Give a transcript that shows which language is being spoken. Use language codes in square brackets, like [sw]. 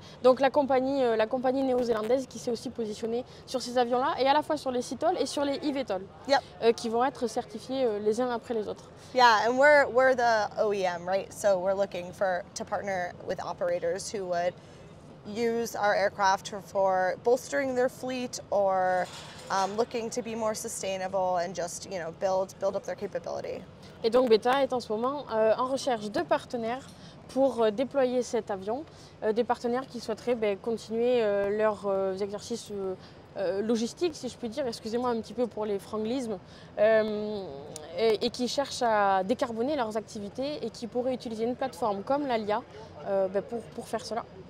[fr] Donc la compagnie néo-zélandaise qui s'est aussi positionnée sur ces avions-là, et à la fois sur les CTOL et sur les eVTOL, [en] yep, [fr] qui vont être certifiés les uns après les autres. [en] Yeah, and we're the OEM, right? So we're looking to partner with operators who would use our aircraft for bolstering their fleet or looking to be more sustainable and just, you know, build up their capability. [fr] Et donc Beta est en ce moment en recherche de partenaires pour déployer cet avion, des partenaires qui souhaiteraient continuer leurs exercices logistiques, si je puis dire, excusez-moi un petit peu pour les franglismes, et qui cherchent à décarboner leurs activités et qui pourraient utiliser une plateforme comme l'ALIA pour faire cela.